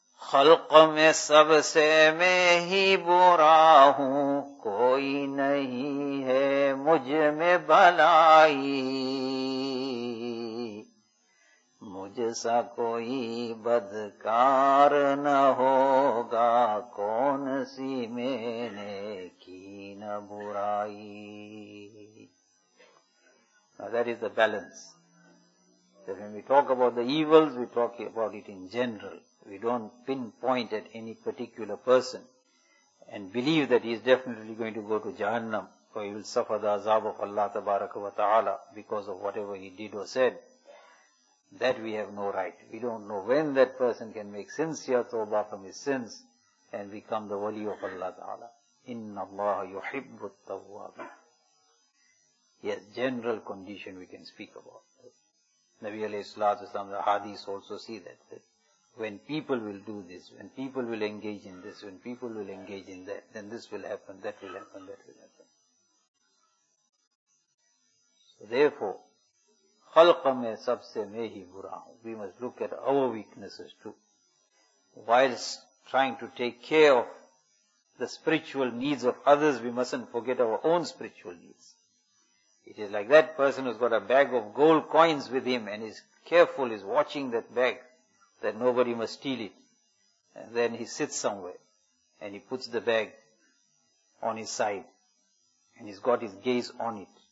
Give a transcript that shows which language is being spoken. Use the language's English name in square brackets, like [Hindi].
[Urdu] خلق میں سب سے میں ہی برا ہوں، کوئی نہیں ہے مجھ میں بھلائی، مجھ سا کوئی بدکار نہ ہوگا، کون سی میں نے کی نہ برائی. [English] Now that is the balance. So when we talk about the evils, we talk about it in general. We don't pinpoint at any particular person and believe that he is definitely going to go to Jahannam or he will suffer the azab of Allah tabaraka wa ta'ala because of whatever he did or said. That we have no right. We don't know when that person can make sincere tawbah from his sins and become the wali of Allah ta'ala. [Arabic] Inna Allah yuhibbu at-tawwabin. [English] Yes, general condition we can speak about. Nabi alayhi salatu wasalam, the hadith also see that. When people will do this, when people will engage in this, when people will engage in that, then this will happen, that will happen, that will happen. So therefore, [Urdu] خلق میں سب سے میں ہی برا ہوں. [English] We must look at our weaknesses too. Whilst trying to take care of the spiritual needs of others, we mustn't forget our own spiritual needs. It is like that person who's got a bag of gold coins with him and is careful, is watching that bag, that nobody must steal it. And then he sits somewhere and he puts the bag on his side and he's got his gaze on it.